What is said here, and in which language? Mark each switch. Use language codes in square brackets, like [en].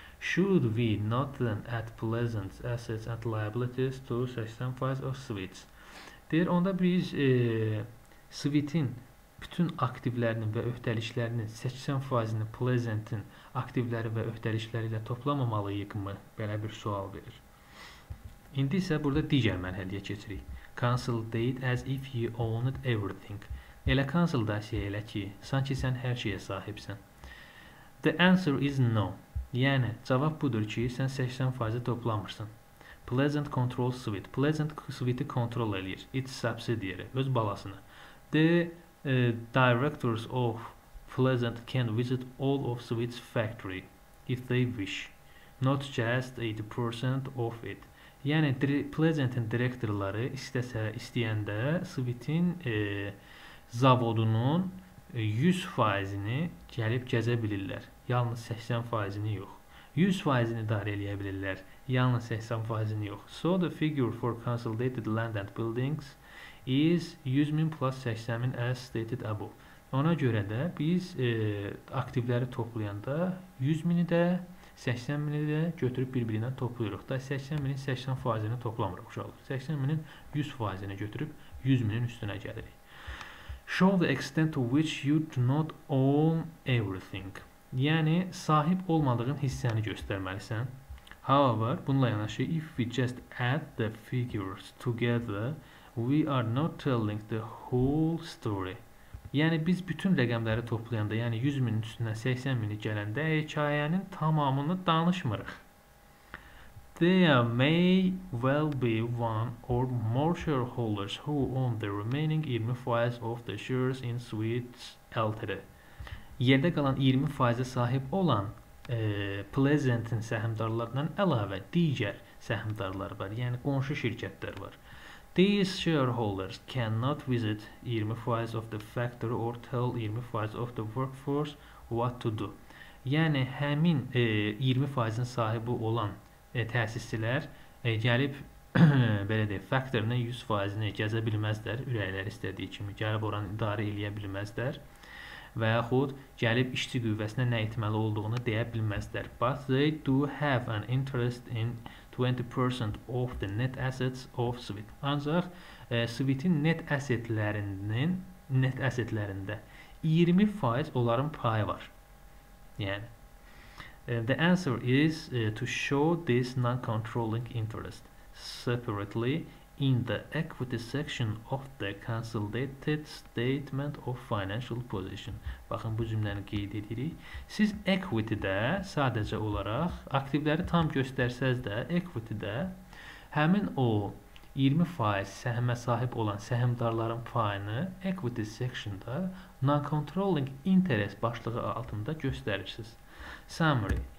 [en] Should we not then add Pleasant's assets and liabilities to 85 of sweet? [az] Deyir, onda biz sweet'in bütün aktivlərinin və öhdəliklərinin 80%-ni Pleasant'in aktivləri və öhdəlikləri ilə toplamamalıyıq mı? Belə bir sual verir. İndi isə burada digər mərhələyə keçirik. [en] Consolidate as if you owned everything. [az] Elə konsultasiya elə ki, sanki sən hər şeyə sahibsən. The answer is no. Yəni, cavab budur ki, sən 80% toplamırsan. Pleasant control suite. Pleasant suite-i kontrol eləyir. It's subsidiary. Öz balasını. [en] The directors of Pleasant can visit all of suite's factory if they wish. Not just 80% of it. [az] Yəni, Pleasant'ın direktorları istəyəndə Sweet'in zavodunun 100%-ni gəlib gəzə bilirlər, yalnız 80%-ni yox. 100%-ni idarə eləyə bilirlər, yalnız 80%-ni yox. [en] So the figure for consolidated land and buildings is 100,000 plus 80,000 as stated above. [az] Ona görə də biz aktivləri toplayanda 100,000-i də 80,000-i də götürüb bir-birindən topluyuruq. Da 80,000-in 80%-ni toplamırıq uşaqlar. 80,000-in 100%-ini götürüb 100,000-in üstünə gəlirik. [en] Show the extent to which you do not own everything. [az] Yəni sahib olmadığın hissəni göstərməlisən. [en] However, bununla yanaşı if we just add the figures together, we are not telling the whole story. [az] Yəni biz bütün rəqəmləri toplayanda, yəni 100,000-in üstünə 80,000-i gələndə hekayənin tamamını danışmırıq. [en] There may well be one or more shareholders who own the remaining 20% of the shares in Sweets Ltd. [az] Yerdə qalan 20%-ə sahib olan Pleasant'ın səhmdarlarından əlavə digər səhmdarlar var, yəni qonşu şirkətlər var. [en] These shareholders cannot visit 20% of the factory or tell 20% of the workforce what to do. [az] Yəni həmin 20%-ın sahibi olan təsisçilər gəlib belə deyək, faktorunun 100%-ni gəzə bilməzlər, ürəkləri istədiyi kimi gəlib oranı idarə eləyə bilməzlər və yaxud gəlib işçi qüvvəsinə nə etməli olduğunu deyə bilməzlər. [en] But they do have an interest in 20% of the net assets of Sweet. [az] Ancaq Sweet'in net assetlərində 20% onların payı var. [en] Yəni the answer is to show this non-controlling interest separately in the equity section of the consolidated statement of financial position. [az] Baxın, bu cümləni qeyd edirik. Siz equity-də sadəcə olaraq aktivləri tam göstərsəz də, equity-də həmin o 20% səhmə sahib olan səhmdarların payını equity section-da non-controlling interest başlığı altında göstərirsiniz. Summary.